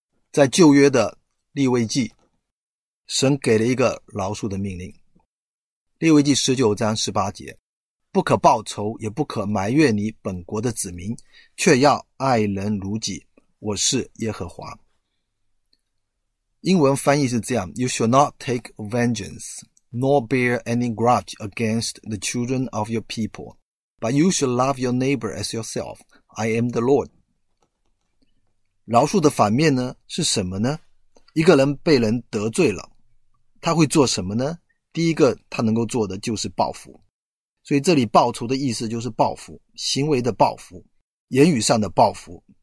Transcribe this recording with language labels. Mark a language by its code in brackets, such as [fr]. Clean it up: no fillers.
[zh] 在旧约的利未记，神给了一个饶恕的命令。利未记19:18，不可报仇，也不可埋怨你本国的子民，却要爱人如己，我是耶和华。英文翻译是这样， [en] You shall not take vengeance, nor bear any grudge against the children of your people, but you shall love your neighbor as yourself, I am the Lord。 [zh] 饶恕的反面呢，是什么呢？一个人被人得罪了，他会做什么呢？第一个他能够做的就是报复，所以这里报仇的意思就是报复，行为的报复，言语上的报复。